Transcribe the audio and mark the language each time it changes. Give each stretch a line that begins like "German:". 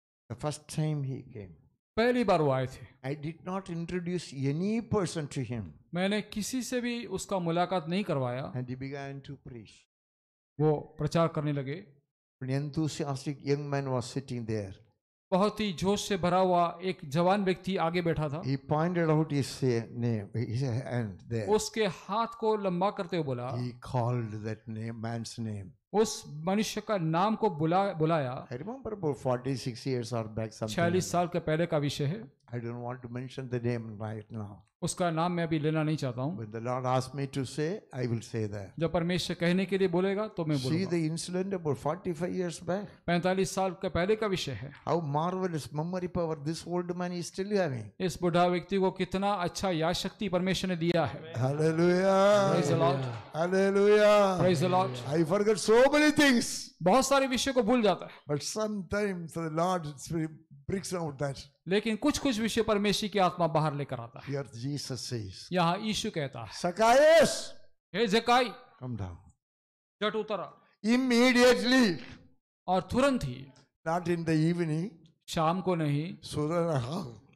English: The first time he came.
Hindi: Pehli baar wo aaye the.
English: I did not introduce any person to him.
Hindi: Maine kisi se bhi uska mulaqat nahi karwaya.
English: And he began to preach.
Hindi: Wo prachar karne lage.
English: An enthusiastic young man was sitting there.
Hindi: बहुत ही जोश से भरा हुआ एक जवान व्यक्ति आगे बैठा था.
English: He pointed out his name, his hand there.
Hindi: उसके हाथ को लंबा करते हुए बोला.
English: He called that name, man's name.
Hindi: उस मनुष्य का नाम को बुलाया.
English: I remember about 46 years or back something.
Hindi: 46 साल के पहले का विषय है.
English: I don't want to mention the name right now.
Hindi: उसका नाम मैं अभी लेना नहीं चाहता हूँ.
English: When the Lord asked me to say, I will say that.
Hindi: जब परमेश्वर कहने के लिए बोलेगा तो मैं बोलूँगा.
English: See the incident about 45 years back.
Hindi: 45 साल के पहले का विषय है.
English: How marvelous memory power this old man is still having.
Hindi: इस बुढ़ा व्यक्ति को कितना अच्छा याद शक्ति परमेश्वर ने दिया है.
English: Hallelujah. Praise the Lord. Hallelujah. Praise the Lord. I forget so many things.
Hindi: बहुत सारे विषय को भूल जाता है.
English: But sometimes the Lord breaks out that.
Hindi: लेकिन कुछ कुछ विषय परमेश्वर की आत्मा बाहर लेकर आता है.
English: Here Jesus says.
Hindi: यहाँ यीशु कहता है.
English: Zacchaeus.
Hindi: हे जकाई.
English: Come down.
Hindi: जट उतरा.
English: Immediately.
Hindi: और तुरंत ही.
English: Not in the evening.
Hindi: शाम को नहीं.